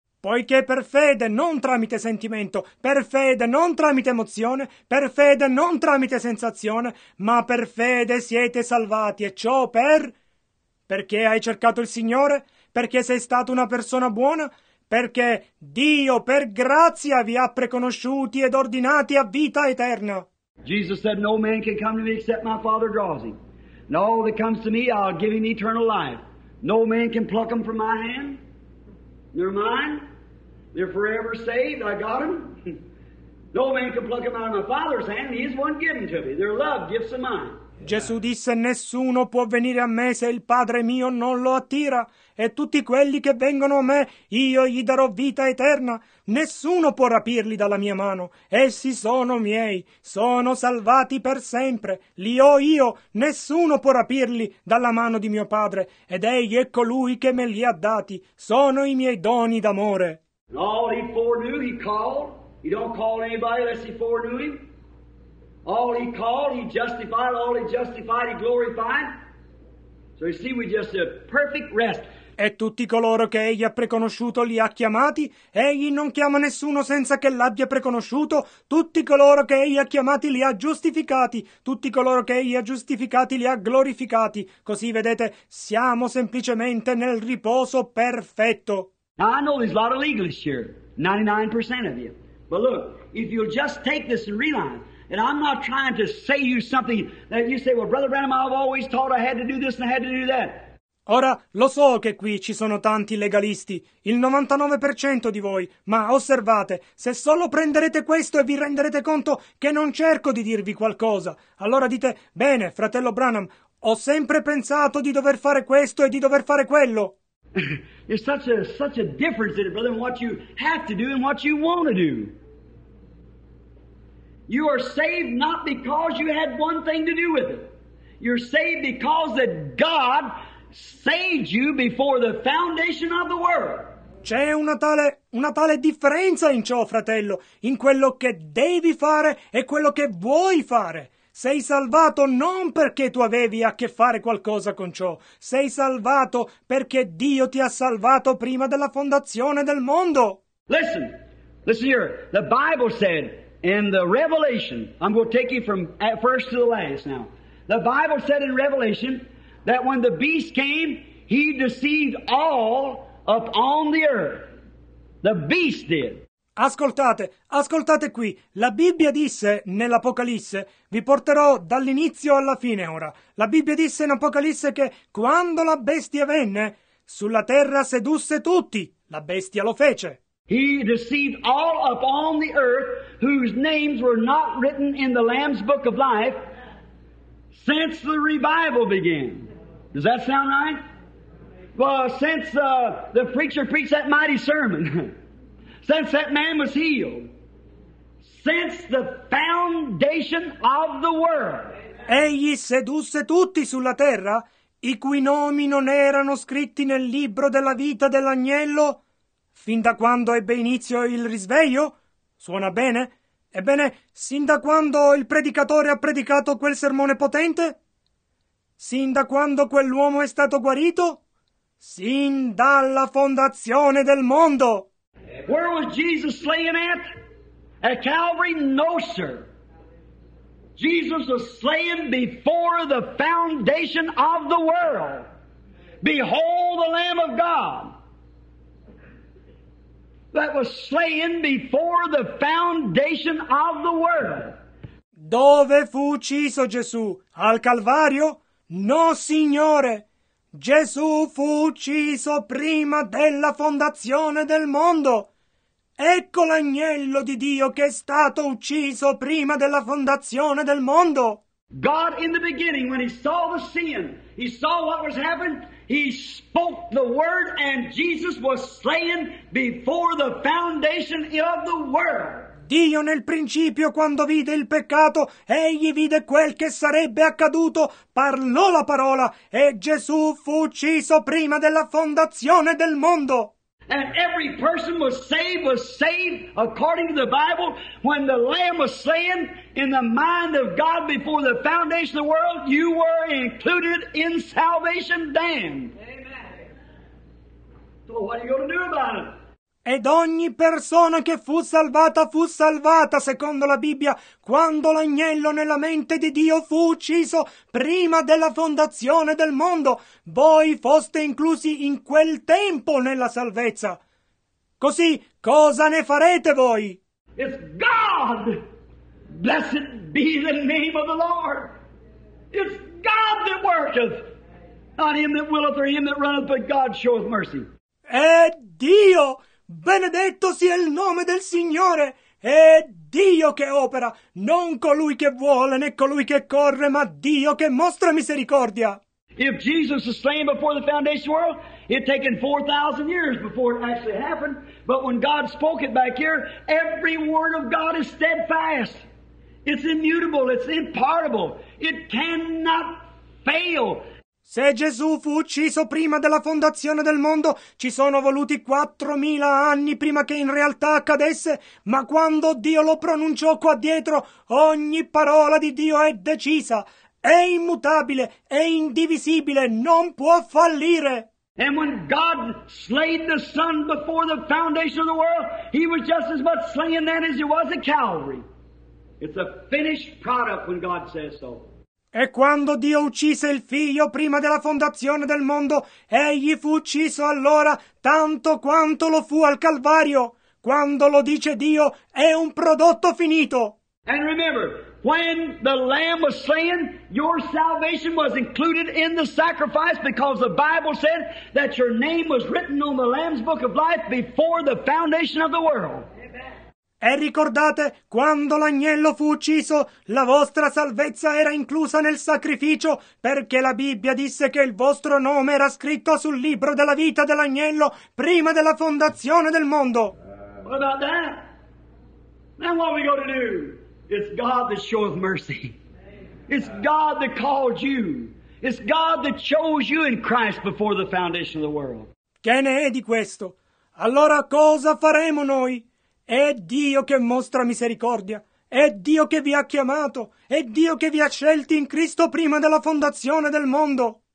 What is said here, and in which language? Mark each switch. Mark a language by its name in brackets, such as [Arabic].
[Italian] Poiché per fede, non tramite sentimento, per fede, non tramite emozione, per fede, non tramite sensazione, ma per fede siete salvati, e ciò per? Perché hai cercato il Signore? Perché sei stato una persona buona? Perché Dio per grazia vi ha preconosciuti ed ordinati a vita eterna. [English] Jesus said, no man can come to me except my Father draws him. And all that comes to me, I'll give him eternal life. No man can pluck him from my hand. They're mine. They're forever saved. I got them. No man can pluck them out of my Father's hand. He is one given to me. They're love gifts of mine. [Italian] Gesù disse, nessuno può venire a me se il Padre mio non lo attira, e tutti quelli che vengono a me, io gli darò vita eterna. Nessuno può rapirli dalla mia mano. Essi sono miei, sono salvati per sempre. Li ho io, nessuno può rapirli dalla mano di mio Padre, ed egli è colui che me li ha dati. Sono i miei doni d'amore. [English] All he foreknew, he called. He don't call anybody unless he foreknew him. All he called, he justified. All he justified, he glorified. So you see, we just a perfect rest. [Italian] E tutti coloro che egli ha preconosciuto li ha chiamati. Egli non chiama nessuno senza che l'abbia preconosciuto. Tutti coloro che egli ha chiamati li ha giustificati. Tutti coloro che egli ha giustificati li ha glorificati. Così vedete, siamo semplicemente nel riposo perfetto. [English] Now I know there's a lot of legalists here, 99% of you. But look, if you'll just take this and realize. And I'm not trying to say you something that you say, well, Brother Branham, I've always taught I had to do this and I had to do that. [Italian] Ora, lo so che qui ci sono tanti legalisti, il 99% di voi, ma osservate, se solo prenderete questo e vi renderete conto che non cerco di dirvi qualcosa, allora dite, bene, fratello Branham, ho sempre pensato di dover fare questo e di dover fare quello. [English] It's such a difference in it, brother, in what you have to do and what you want to do. You are saved not because you had one thing to do with it. You're saved because that God saved you before the foundation of the world. [Italian] C'è una tale differenza in ciò, fratello, in quello che devi fare e quello che vuoi fare. Sei salvato non perché tu avevi a che fare qualcosa con ciò. Sei salvato perché Dio ti ha salvato prima della fondazione del mondo. [English] Listen here. The Bible said. In the Revelation, I'm going to take you from at first to the last now. The Bible said in Revelation that when the beast came, he deceived all upon the earth. The beast did. [Italian] Ascoltate qui. La Bibbia disse nell'Apocalisse, vi porterò dall'inizio alla fine ora. La Bibbia disse in Apocalisse che quando la bestia venne, sulla terra sedusse tutti. La bestia lo fece. [English] He deceived all upon the earth whose names were not written in the Lamb's Book of Life since the revival began. Does that sound right? Well, since the preacher preached that mighty sermon, since that man was healed, since the foundation of the world. Amen. [Italian] Egli sedusse tutti sulla terra, i cui nomi non erano scritti nel libro della vita dell'agnello, fin da quando ebbe inizio il risveglio? Suona bene? Ebbene, sin da quando il predicatore ha predicato quel sermone potente? Sin da quando quell'uomo è stato guarito? Sin dalla fondazione del mondo! [English] Where was Jesus slain at? At Calvary? No, sir. Jesus was slain before the foundation of the world. Behold the Lamb of God that was slain before the foundation of the world. [Italian] Dove fu ucciso Gesù? Al Calvario? No, Signore! Gesù fu ucciso prima della fondazione del mondo! Ecco l'agnello di Dio che è stato ucciso prima della fondazione del mondo! [English] God in the beginning, when he saw the sin, he saw what was happening, he spoke the word and Jesus was slain before the foundation of the world. [Italian] Dio nel principio, quando vide il peccato, egli vide quel che sarebbe accaduto, parlò la parola e Gesù fu ucciso prima della fondazione del mondo. [English] And every person was saved according to the Bible. When the Lamb was slain in the mind of God before the foundation of the world, you were included in salvation then. Amen. So what are you going to do about it? [Italian] Ed ogni persona che fu salvata secondo la Bibbia, quando l'agnello nella mente di Dio fu ucciso prima della fondazione del mondo, voi foste inclusi in quel tempo nella salvezza. Così, cosa ne farete voi? [English] It's God! Blessed be the name of the Lord! It's God that worketh! Not him that willeth or him that runneth, but God showeth mercy. [Italian] È Dio! Benedetto sia il nome del Signore! È Dio che opera, non colui che vuole né colui che corre, ma Dio che mostra misericordia! [English] If Jesus was slain before the foundation of the world, it had taken 4,000 years before it actually happened. But when God spoke it back here, every word of God is steadfast. It's immutable, it's impartible. It cannot fail. [Italian] Se Gesù fu ucciso prima della fondazione del mondo, ci sono voluti 4,000 anni prima che in realtà accadesse, ma quando Dio lo pronunciò qua dietro, ogni parola di Dio è decisa, è immutabile, è indivisibile, non può fallire. [English] And when God slayed the Son before the foundation of the world, he was just as much slain then as he was at Calvary. It's a finished product when God says so. [Italian] E quando Dio uccise il Figlio prima della fondazione del mondo, egli fu ucciso allora tanto quanto lo fu al Calvario. Quando lo dice Dio, è un prodotto finito. [English] And remember, when the Lamb was slain, your salvation was included in the sacrifice because the Bible said that your name was written on the Lamb's Book of Life before the foundation of the world. [Italian] E ricordate, quando l'agnello fu ucciso, la vostra salvezza era inclusa nel sacrificio, perché la Bibbia disse che il vostro nome era scritto sul libro della vita dell'agnello prima della fondazione del mondo. [English] What about that? Then what are we going to do? It's God that showeth mercy. It's God that called you. It's God that chose you in Christ before the foundation of the world. [Italian] Che ne è di questo? Allora cosa faremo noi? È Dio che mostra misericordia, è Dio che vi ha chiamato, è Dio che vi ha scelti in Cristo prima della fondazione del mondo.